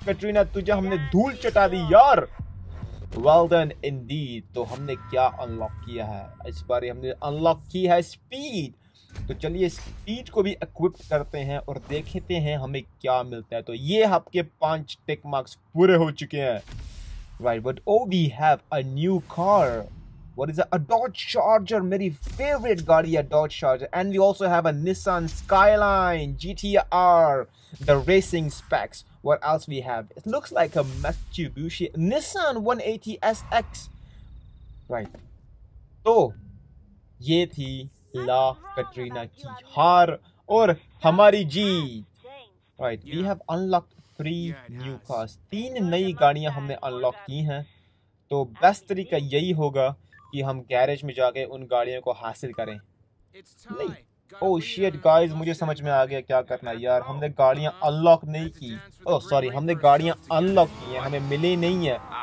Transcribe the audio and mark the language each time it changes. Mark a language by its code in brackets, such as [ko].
[hi] कैटरीना तुझे हमने धूल चटा दी यार, [en] Well done indeed. [hi] तो हमने क्या अनलॉक किया है इस बार, हमने अनलॉक की है स्पीड। तो चलिए स्पीड को भी इक्विप करते हैं और देखते हैं हमें क्या मिलता है। तो ये आपके 5 टिक मार्क्स पूरे हो चुके हैं। [en] Right, but oh, we have a new car. What is that? A Dodge Charger, my favorite car, a Dodge Charger. And we also have a Nissan Skyline GTR, the racing specs. What else we have? It looks like a Mitsubishi Nissan 180 SX. Right. [hi] So, ye thi La Katrina ki har aur hamari jeet. [en] Right, we have unlocked 3 new cars. [hi] 3 नई गाड़ियां हमने unlock की हैं। तो best तरीका यही होगा कि हम गैरेज में जाके उन गाड़ियों को हासिल करें। नहीं, ओह शिट गाइस, मुझे समझ में आ गया क्या करना है यार, हमने गाड़ियां अनलॉक नहीं की, ओह सॉरी, हमने गाड़ियां अनलॉक की हैं, हमें मिले नहीं है।